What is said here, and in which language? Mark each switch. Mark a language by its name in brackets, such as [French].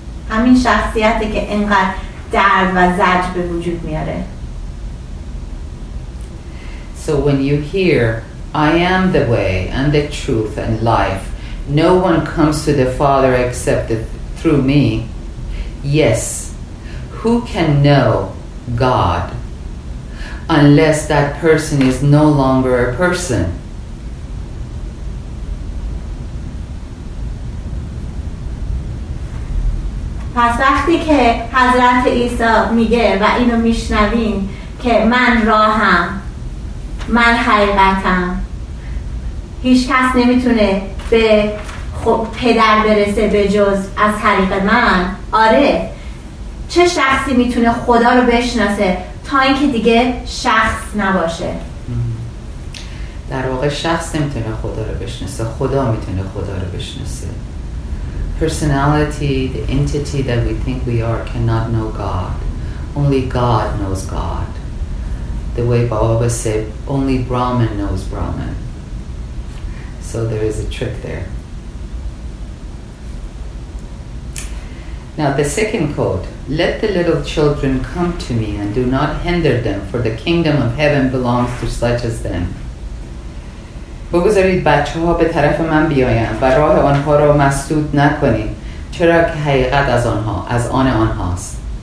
[Persian] همین شخصیتی که اینقدر درد و زجر به وجود میاره. [English] So when you hear I am the way and the truth and life, no one comes to the Father except through me. Yes, who can know God unless that person is no longer a person? [Persian] پس وقتی که حضرت عیسی میگه و اینو میشنوین که من راهم، من حقیقتم، هیچ کس نمیتونه به خب پدر برسه به جز از طریق من، آره، چه شخصی میتونه خدا رو بشناسه تا اینکه دیگه شخص نباشه؟ در واقع شخص نمیتونه خدا رو بشناسه، خدا میتونه خدا رو بشناسه. [English] Personality, the entity that we think we are, cannot know God. Only God knows God. The way Baba said, only Brahman knows Brahman. So there is a trick there. Now the second quote, let the little children come to me and do not hinder them, for the kingdom of heaven belongs to such as them. [Persian] بگذارید بچه ها به طرف من بیایند و راه آنها را مسدود نکنید، چرا که حقیقت از آنها، از آن آنهاست.